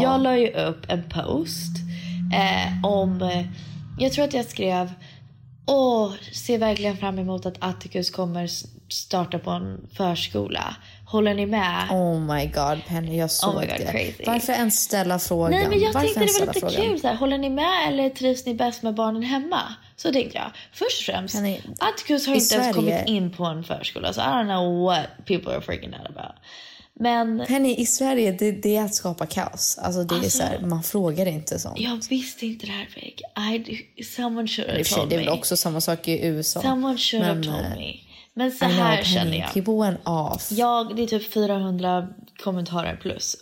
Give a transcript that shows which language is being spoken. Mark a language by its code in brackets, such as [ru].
[sv] Jag la ju upp en post om, jag tror att jag skrev, åh, ser verkligen fram emot att Atticus kommer starta på en förskola. Håller ni med? [en] Oh my god, [sv] Penny, jag såg [en] crazy. [sv] Varför ens ställa frågan? Nej, men jag varför tänkte det var lite kul så här, håller ni med eller trivs ni bäst med barnen hemma? Så tänkte jag, först och främst, Penny, Atticus har inte ens kommit in på en förskola. [en] Så I don't know what people are freaking out about. [sv] Men Penny, i Sverige, det är att skapa kaos. Alltså det är så här, man frågar inte sånt. Jag visste inte det här, Vic. [en] Someone should have told me. [sv] Det är också samma sak i USA. [en] Someone should have told me. [sv] Men så här känner jag. [en] People went off. [sv] Det är typ 400 kommentarer plus.